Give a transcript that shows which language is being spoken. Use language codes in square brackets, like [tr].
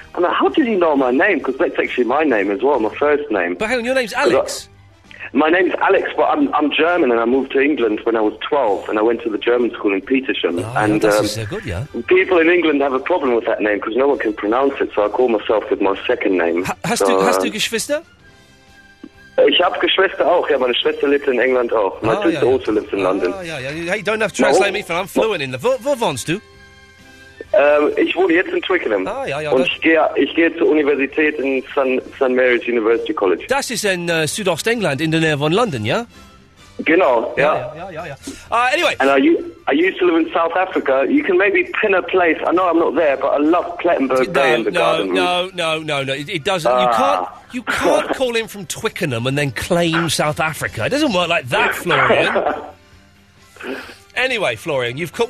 [en] I mean, how did he know my name? Because that's actually my name as well, my first name. But hang on, your name's Alex. My name's Alex, but I'm German, and I moved to England when I was 12, and I went to the German school in Petersham. People in England have a problem with that name, because no one can pronounce it, so I call myself with my second name. [de] Hast du Geschwister? Ich habe Geschwister auch, ja, meine Schwester lebt in England auch. [en] My sister also lives in London. Hey, don't have to translate me, for I'm fluent in the... [de] Wo wohnst du? Ich wohne jetzt in Twickenham. Und ich gehe zur Universität in St. Mary's University College. Das ist in Südostengland, in der Nähe von London, ja? Genau. [en] Yeah. Anyway. And I used to live in South Africa. You can maybe pin a place. I know I'm not there, but I love Plettenberg Bay in the garden. No. It doesn't. You can't call in from Twickenham and then claim South Africa. It doesn't work like that, Florian. Anyway, Florian, you've called.